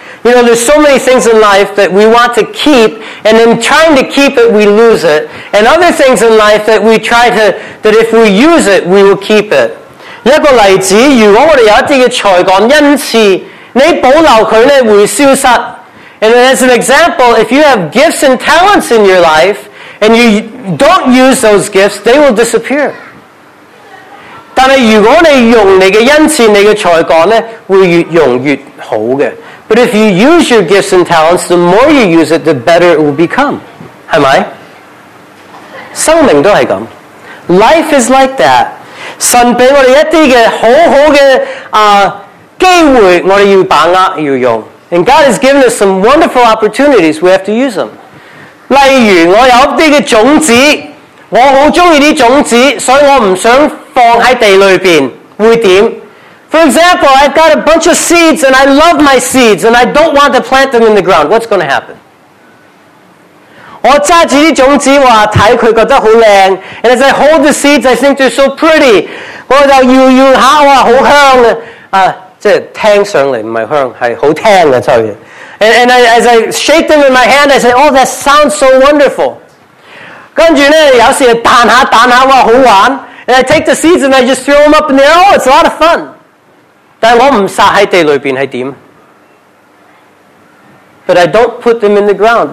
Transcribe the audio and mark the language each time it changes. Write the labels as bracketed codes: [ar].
[en] You know, there's so many things in life that we want to keep, and in trying to keep it, we lose it. And other things in life that we try to, that if we use it, we will keep it. [yue] 一个例子，如果我哋有一啲嘅才干恩赐。你保留佢咧会消失。 [en] And as an example, if you have gifts and talents in your life and you don't use those gifts, they will disappear. [yue] 但系如果你用你嘅恩赐、你嘅才干咧，会越用越好嘅。 [en] But if you use your gifts and talents, the more you use it, the better it will become. [yue] 系咪？生命都系咁。 [en] Life is like that. [yue] 神俾我哋一啲嘅好好嘅机会，我哋要把握要用。 [en] And God has given us some wonderful opportunities. We have to use them. [yue] 例如我有一些种子，我好喜欢啲种子，所以我唔想放喺地里边，会点？ [en] For example, I've got a bunch of seeds and I love my seeds and I don't want to plant them in the ground. What's going to happen? [yue] 我揸住啲种子，哇，睇佢觉得好靓。 [en] And as I hold the seeds, I think they're so pretty. [yue] 我就摇摇下，哇，好香啊！即系听上嚟唔系香，系好听啊，sorry. [en] And I, as I shake them in my hand, I say, oh, that sounds so wonderful. [yue] 跟住咧，有时弹下弹下，哇，好玩。 [en] And I take the seeds and I just throw them up in the air. Oh, it's a lot of fun. [yue] 但我唔撒喺地里边系点？ [en] But I don't put them in the ground.